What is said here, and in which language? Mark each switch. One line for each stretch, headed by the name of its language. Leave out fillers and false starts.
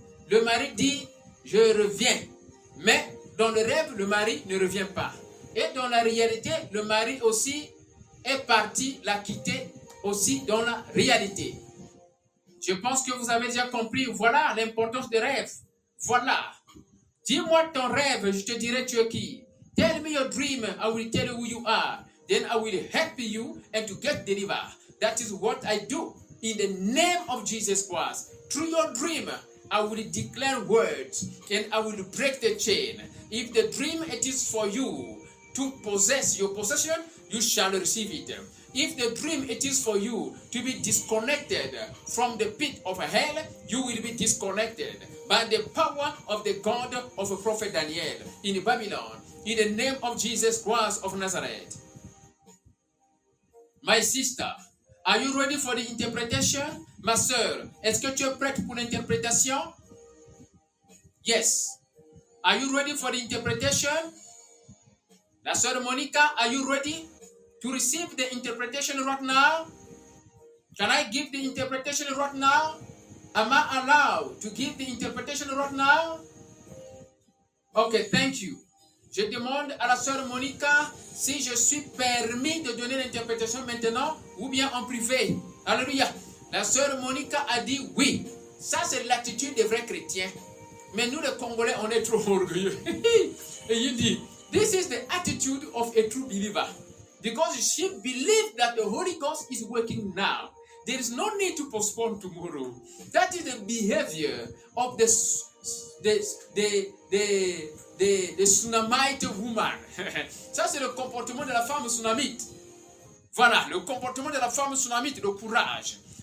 French: Le mari dit, je reviens. Mais dans le rêve, le mari ne revient pas. Et dans la réalité, le mari aussi est parti la quitter aussi dans la réalité. Je pense que vous avez déjà compris, voilà l'importance des rêves. Voilà. Dis-moi ton rêve, je te dirai tu es qui.
English: Tell me your dream, I will tell you who you are. Then I will help you and to get delivered. That is what I do in the name of Jesus Christ. Through your dream, I will declare words and I will break the chain. If the dream it is for you to possess your possession, you shall receive it. If the dream it is for you to be disconnected from the pit of hell, you will be disconnected by the power of the God of Prophet Daniel in Babylon, in the name of Jesus Christ of Nazareth. My sister, are you ready for the interpretation?
French: Ma soeur, est-ce que tu es prête pour l'interprétation?
English: Yes. Are you ready for the interpretation? La soeur Monica, are you ready to receive the interpretation right now? Can I give the interpretation right now? Am I allowed to give the interpretation right now? Okay, thank you.
French: Je demande à la sœur Monica si je suis permis de donner l'interprétation maintenant ou bien en privé. Alléluia. La sœur Monica a dit oui. Ça, c'est l'attitude des vrais chrétiens. Mais nous, les Congolais, on est trop orgueilleux. Et il dit,
English: this is the attitude of a true believer. Because she believes that the Holy Ghost is working now. There is no need to postpone tomorrow. That is the behavior of the tsunamite woman.
French: Ça, c'est le comportement de la femme tsunamite. Voilà, le comportement de la femme tsunamite, le courage.